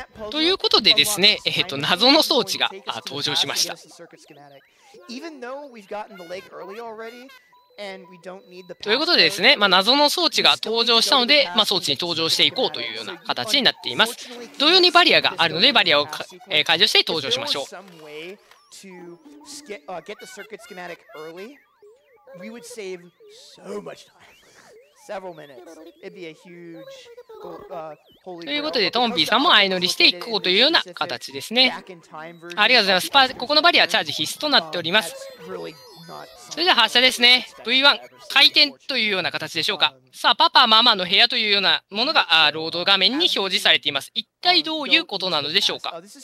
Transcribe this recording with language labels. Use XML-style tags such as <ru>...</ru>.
<ja>ということでですね、謎の装置が登場しました。ということでですね、まあ、謎の装置が登場したので、まあ、装置に登場していこうというような形になっています。同様にバリアがあるので、バリアを解除して登場しましょう。</ja> <en>To get the circuit schematic early, we would save so much time. Several minutes. It'd be a huge,</en> <ja>ということで、トンビーさんも相乗りしていこうというような形ですね。ありがとうございます。ここのバリアチャージ必須となっております。それでは発射ですね。 V1 回転というような形でしょうか。さあ、パパママの部屋というようなものがロード画面に表示されています。一体どういうことなのでしょうか。</ja>